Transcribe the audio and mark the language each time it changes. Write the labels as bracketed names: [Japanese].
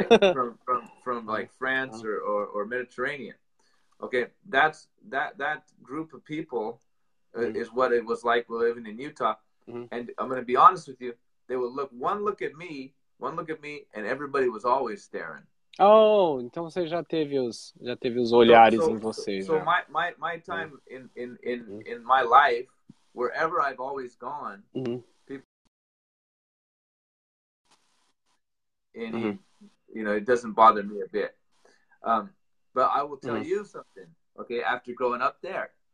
[English] from like, France or Mediterranean. Okay, that's that group of people is what it was like living in Utah. And I'm going to be honest with you, they would look, one look at me, and everybody was always staring. [Portuguese] Oh, então você já teve os olhares em você. [English] So my time in my life, wherever I've always gone, people, you know, it doesn't bother me a bit. But I will tell you something, okay, after growing up there.